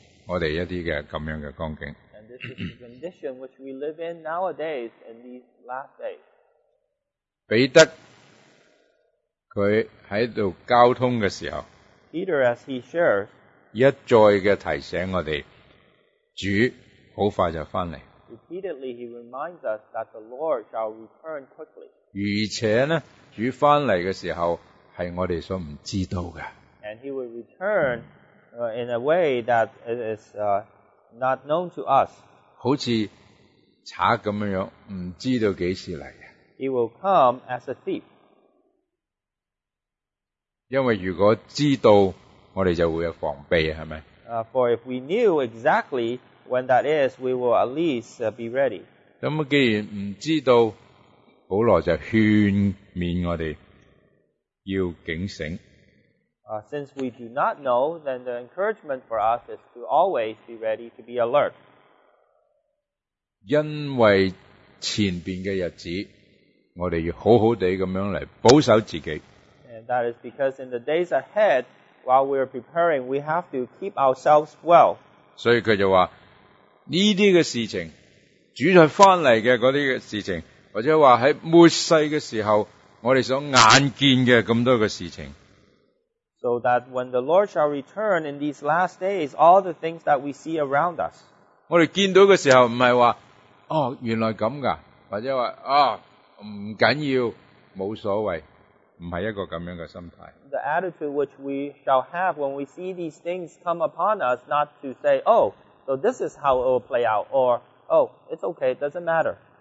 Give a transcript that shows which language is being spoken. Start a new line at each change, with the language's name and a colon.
Chinese: 這是末世的時候,我們在目前,我們一些這樣的光景。
English: And this is the condition which we live in nowadays, in these last days.
Chinese: 彼得,他在交通的時候,
English: Peter, as he shares,
Chinese: 一再的提醒我們,主很快就回來。
English: Repeatedly, he reminds us that the Lord shall return quickly.
Chinese: 而且呢, 主回来的时候, 是我们所不知道的。
English: And he will return in a way that it is not known to us.
Chinese: 好像贼这样, 不知道几时来的。
English: He will come as a thief.
Chinese: 因为如果知道, 我们就会有防备, 是吗?
English: For if we knew exactly when that is, we will at least be ready.
Chinese: 既然不知道, 保罗就劝勉我们要警醒。
English: Since we do not know, then the encouragement for us is to always be ready to be alert.
Chinese: 因为前面的日子, 我们要好好地来保守自己。
English: And that is because in the days ahead, while we are preparing, we have to keep ourselves well.
Chinese: 所以他就说, 这些事情, 主在回来的那些事情, 或者说在末世的时候, 我们所眼见的那么多的事情,
English: so that when the Lord shall return in these last days, all the things that we see around us,
Chinese: 我们见到的时候, 不是说, 哦, 原来这样的, 或者说, 哦, 不要紧, 无所谓, 不是一个这样的心态。
English: The attitude which we shall have when we see these things come upon us, not to say, oh, so this is how it will play out, or, oh, it's okay, it doesn't matter.